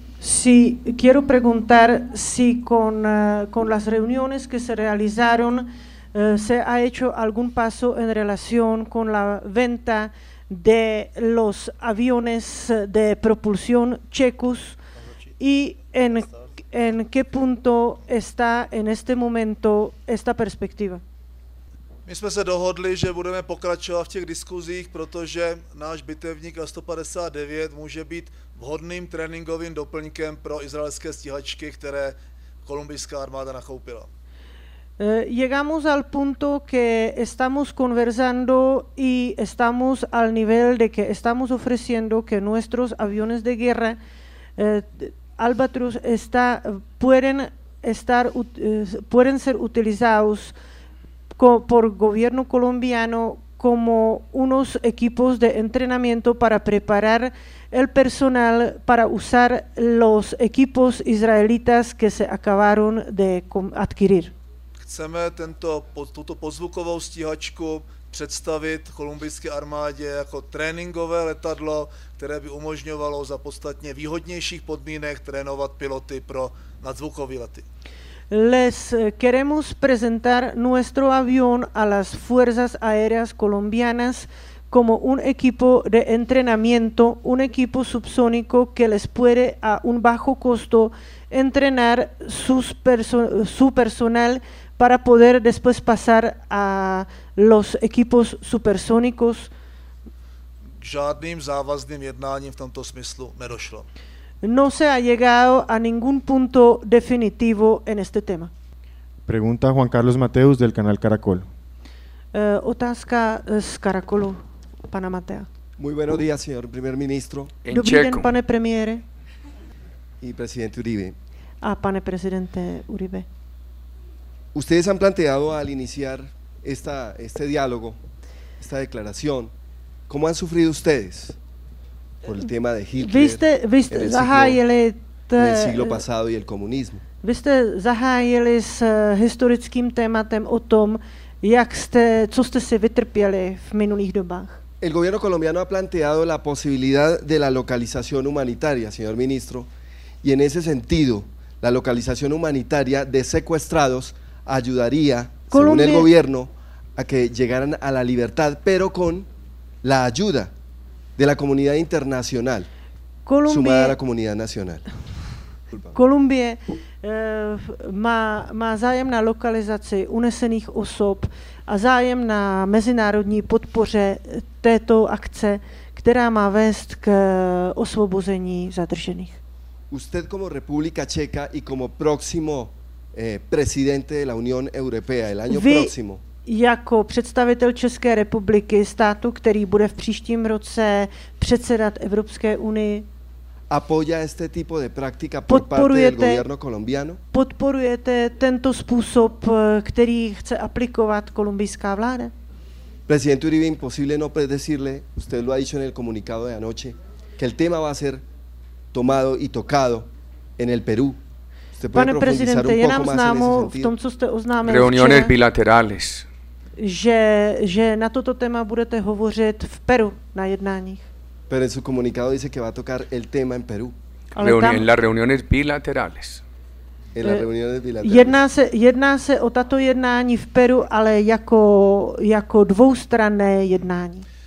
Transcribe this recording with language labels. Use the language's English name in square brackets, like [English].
[Spanish] Si quiero preguntar si con las reuniones que se realizaron se ha hecho algún paso en relación con la venta de los aviones de propulsión checos y en qué punto está en este momento esta perspectiva. [Czech] My jsme se dohodli, že budeme pokračovat v těch diskuzích, protože náš bitevník L-159 může být vhodným tréninkovým doplňkem pro izraelské stíhačky, které kolumbijská armáda nakoupila. [Spanish] Llegamos al punto que estamos conversando y estamos al nivel de que estamos ofreciendo que nuestros aviones de guerra Albatros pueden ser utilizados por gobierno colombiano como unos equipos de entrenamiento para preparar el personal para usar los equipos israelitas que se acabaron de adquirir. [Czech] Chceme tuto pozvukovou stíhačku představit kolumbijské armádě jako tréninkové letadlo, které by umožňovalo za podstatně výhodnějších podmínek trénovat piloty pro nadzvukové lety. [Spanish] Les queremos presentar nuestro avión a las fuerzas aéreas colombianas como un equipo de entrenamiento, un equipo subsónico que les puede a un bajo costo entrenar su personal para poder después pasar a los equipos supersónicos. [Czech] Žádným závazným jednáním v tomto smyslu nedošlo. [Spanish] No se ha llegado a ningún punto definitivo en este tema. Pregunta Juan Carlos Mateus del canal Caracol. [Czech] Otázka z Caracolu, pana Matea. [Spanish] Muy buenos días, señor primer ministro. [Czech] En Dobrý Čeku. Den, pane premiére. [Spanish] Y presidente Uribe. [Czech] A pane presidente Uribe. [Spanish] Ustedes han planteado al iniciar este diálogo, esta declaración, ¿cómo han sufrido ustedes por el tema de Hitler en el siglo pasado y el comunismo? [Czech] Vy jste zahájili s historickým tématem o tom, co jste si vytrpěli v minulých dobách. [Spanish] El gobierno colombiano ha planteado la posibilidad de la localización humanitaria, señor ministro, y en ese sentido, la localización humanitaria de secuestrados ayudaría, según el gobierno, a que llegaran a la libertad, pero con la ayuda de la comunidad internacional, sumada a la comunidad nacional. [Czech] Colombia má zájem na lokalizaci unesených osob a zájem na mezinárodní podpoře této akce, která má vést k osvobození zadržených. [Spanish] Usted como República Checa y como próximo presidente de la Unión Europea el año próximo. [Czech] Jako představitel České republiky, státu, který bude v příštím roce předsedat Evropské unii. [Spanish] Apoya este tipo de práctica por parte del gobierno colombiano? [Czech] Podporujete tento způsob, který chce aplikovat kolumbijská vláda? [Spanish] Presidente Uribe, imposible no predecirle, usted lo ha dicho en el comunicado de anoche, que el tema va a ser tomado y tocado en el Perú. [Czech] Pane prezidente, je nám známo v tom, co jste oznámil, [Spanish] reuniones bilaterales. [Czech] Že na toto téma budete hovořit v Peru na jednáních. [Spanish] Pero en su comunicado dice que va a tocar el tema en Perú. En las reuniones bilaterales. En las reuniones bilaterales. [Czech] Jedná se o tato jednání v Peru, ale jako dvoustranné jednání.